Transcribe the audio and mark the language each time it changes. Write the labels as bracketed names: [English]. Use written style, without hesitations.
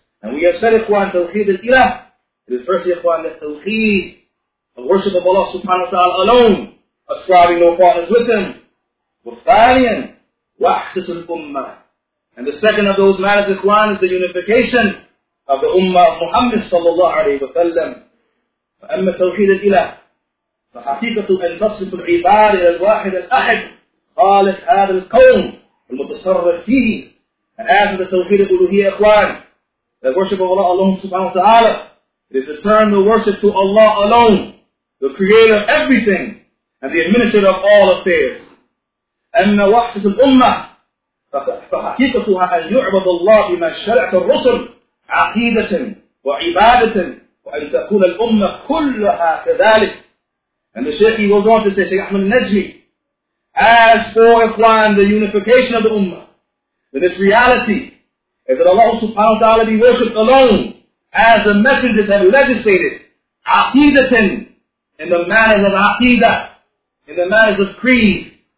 [English] And we have said, Ikhwan, Tawheed al-Ilah. It is first, Ikhwan, that Tawheed, the worship of Allah subhanahu wa ta'ala alone, ascribing no partners with Him. Wafaniyan, wahdat al-Ummah. And the second of those matters, Ikhwan, is the unification of the Ummah of Muhammad sallallahu alayhi wa sallam. [Arabic] فأما توحيد الإله فحقيقة أن تصف العباد إلى الواحد الأحد خالق هذا الكون المتصرف فيه [English] and after the توحيد الألوهية إخوان the worship of Allah alone subhanahu wa ta'ala it is to turn the worship to Allah alone the creator of everything and the administrator of all affairs [Arabic] أما وحدة الأمة فحقيقتها أن يعبد الله بما شرعت الرسل عقيدة وعبادة وأن تكون الأمة كلها كذلك. [English] And the Shaykh, he goes on to say, Shaykh Ahmad al-Najmi, as for Ikhwan, the unification of the Ummah, then its reality is that Allah subhanahu wa ta'ala be worshipped alone as the messengers have legislated, aqidatin, in the manners of aqidah, in the manners of creed.